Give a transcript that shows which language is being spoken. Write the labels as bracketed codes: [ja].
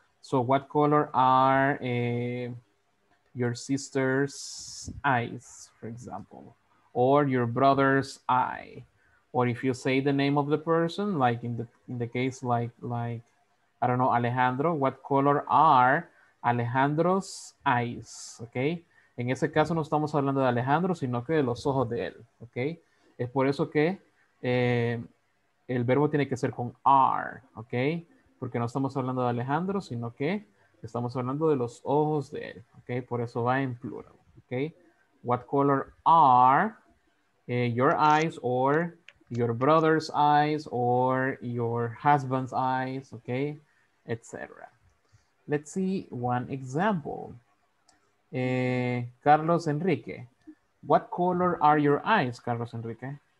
[en] So what color are your sister's eyes, for example, or your brother's eye? Or if you say the name of the person, like in the case, like, I don't know, Alejandro, what color are Alejandro's eyes? Okay. [es] En ese caso no estamos hablando de Alejandro, sino que de los ojos de él. Okay. Es por eso que el verbo tiene que ser con are. Okay. Porque no estamos hablando de Alejandro, sino que estamos hablando de los ojos de él. Okay. Por eso va en plural. Okay. [en] What color are your eyes, or your brother's eyes, or your husband's eyes, okay, etc. Let's see one example. Carlos Enrique, what color are your eyes, Carlos Enrique?